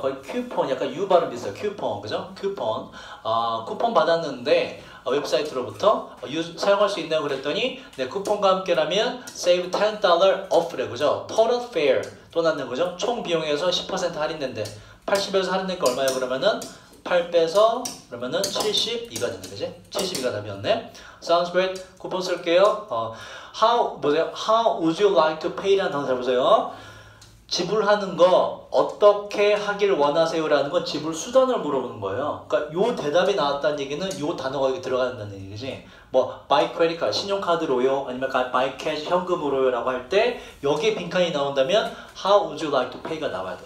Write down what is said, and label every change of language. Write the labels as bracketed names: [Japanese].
[Korean] 거의 쿠폰, 약간 U 발음 비슷해요. 쿠폰, 그죠? 쿠폰. 쿠폰 받았는데 웹사이트로부터 사용할 수 있나요? 그랬더니 네, 쿠폰과 함께라면 [English] save $10 off [Korean] 래, 그죠? total fare 또 낫는 거죠? 총 비용에서 10% 할인된대. 80에서 할인된 게 얼마예요? 그러면은 8 빼서 그러면은 72가 된대, 그지? 72가 답이었네. [English] Sounds great. [Korean] 쿠폰 쓸게요. How, 보세요. [English] How would you like to pay [Korean] 라는 단어 잘 보세요. 지불하는 거 어떻게 하길 원하세요? 라는 건 지불 수단을 물어보는 거예요. 그러니까 요 대답이 나왔다는 얘기는 요 단어가 여기 들어간다는 얘기지. 뭐 by credit card, 신용카드로요, 아니면 by cash, 현금으로요 라고 할 때 여기에 빈칸이 나온다면 [English] how would you like to pay [Korean] 가 나와야 돼.